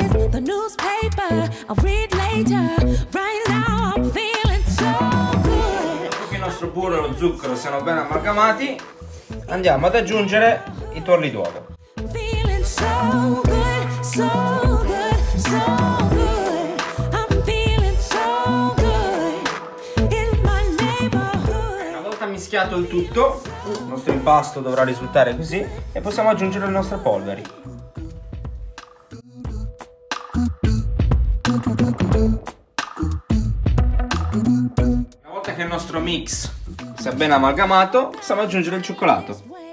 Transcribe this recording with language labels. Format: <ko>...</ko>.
<en>The newspaper, I'll read later. Right now I'm feeling so good.</en> <it>Dopo che il nostro burro e lo zucchero siano ben amalgamati, andiamo ad aggiungere i tuorli d'uovo.</it> <en>Feeling so good, so good, so good. I'm feeling so good in my neighborhood.</en> <it>Una volta mischiato il tutto, il nostro impasto dovrà risultare così e possiamo aggiungere le nostre polveri. Una volta che il nostro mix si è ben amalgamato, possiamo aggiungere il cioccolato.</it>